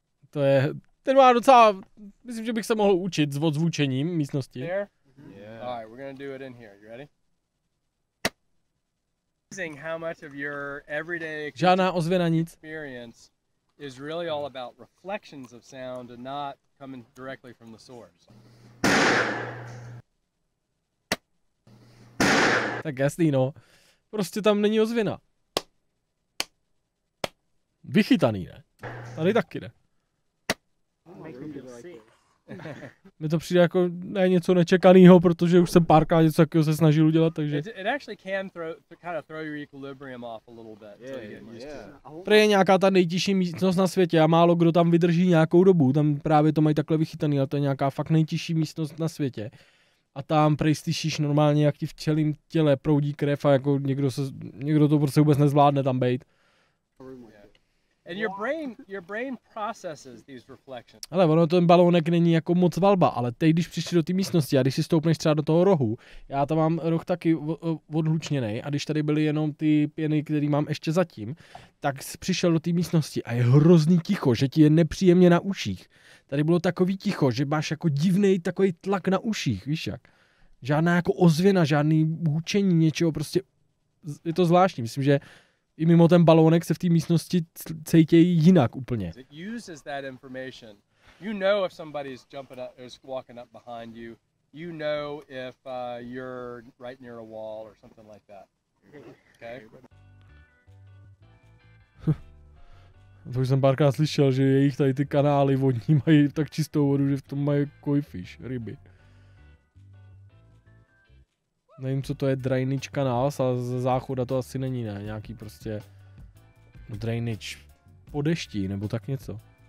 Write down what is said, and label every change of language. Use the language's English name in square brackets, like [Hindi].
[Czech] To je, ten má docela, myslím, že bych se mohl učit s odzvučením místnosti. Mm-hmm. Yeah. [English] All right, we're gonna do it in here. You ready? Seeing how much of your everyday experience is really all about reflections of sound and not coming directly from the source. [Czech] Tak jasný, no. Prostě tam není ozvěna. Vychytaný, ne? Tady taky, ne? Mně to přijde jako ne něco nečekaného, protože už jsem párkrát něco takového se snažil udělat, takže... [English] It actually can kind of throw your equilibrium off a little bit. [Czech] Prý je nějaká ta nejtěžší místnost na světě a málo kdo tam vydrží nějakou dobu, tam právě to mají takhle vychytaný, ale to je nějaká fakt nejtěžší místnost na světě. A tam prej slyšíš normálně, jak ti v celém těle proudí krev a jako někdo to prostě vůbec nezvládne tam bejt. [English] And your brain processes these reflections. [Czech] Ale ono ten balónek není jako moc valba, ale teď, když přijdeš do té místnosti a když si stoupneš třeba do toho rohu, já tam mám roh taky odhlučněný a když tady byly jenom ty pěny, které mám ještě zatím, tak přišel do té místnosti a je hrozný ticho, že ti je nepříjemně na uších. Tady bylo takový ticho, že máš jako divný takový tlak na uších, víš jak. Žádná jako ozvěna, žádný hučení, něčeho prostě, je to zvláštní, myslím, že i mimo ten balónek se v té místnosti cítějí jinak úplně. [English] It uses that information. You know if somebody's jumping up or walking up behind you. You know if you're right near a wall or something like that. Okay? [Czech] To už jsem párkrát slyšel, že jejich tady ty kanály vodní mají tak čistou vodu, že v tom mají koi fish, ryby. Nevím, co to je drainage kanál, ze záchoda to asi není, ne? Nějaký prostě drainage po dešti, nebo tak něco.